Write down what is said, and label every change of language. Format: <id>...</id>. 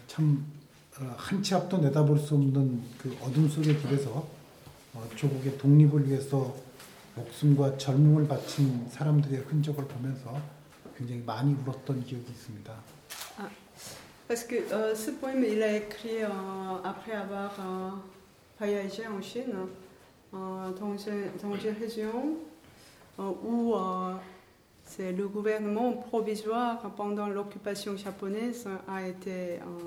<fr>Oui, c'est un peu plus tard, après avoir tout écouté.</fr> <ko>조국의 독립을 위해서 목숨과 젊음을 바친 사람들의 흔적을 보면서 굉장히 많이 울었던 기억이 있습니다.</ko> <fr>Parce que ce poème il a écrit après avoir voyagé en Chine dans une région où c'est le gouvernement provisoire pendant l'occupation japonaise a été.</fr>